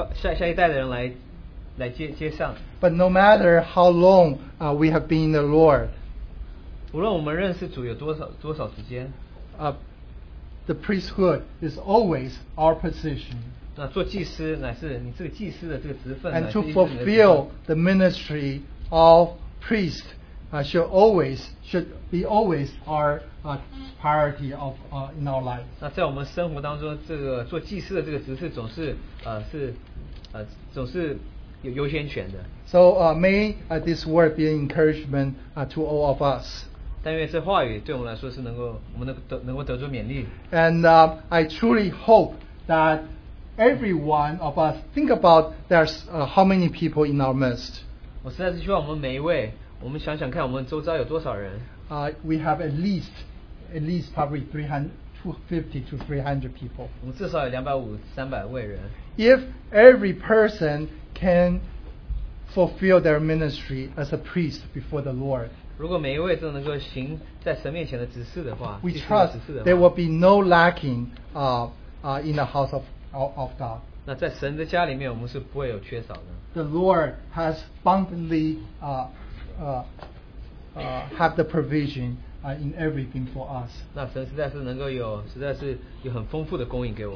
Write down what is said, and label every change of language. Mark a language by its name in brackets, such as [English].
[Chinese] 那就慢下来，我们来让下一代的人来接上。 [English] But no matter how long we have been in the Lord, [Chinese] 无论我们认识主有多少时间, [English] the priesthood is always our position. [Chinese] 那做祭司乃是你这个祭司的这个职分, [English] and to fulfill the ministry of priest should always be our priority of in our life. [Chinese] 那在我们生活当中，这个做祭司的这个职事总是有优先权的. [English] So may this word be an encouragement to all of us. [Chinese] 但愿这话语对我们来说是能够我们能够得着勉励. [English] And I truly hope that every one of us, think about there's how many people in our midst. We have at least probably 250 to 300 people. [Chinese] 我们至少有250-300位人. [English] If every person can fulfill their ministry as a priest before the Lord, we trust there will be no lacking in the house of God. [Chinese] 那在神的家里面我们是不会有缺少的。 [English] The Lord has abundantly have the provision in everything for us. [Chinese] 那神实在是能够有很丰富的供应给我们。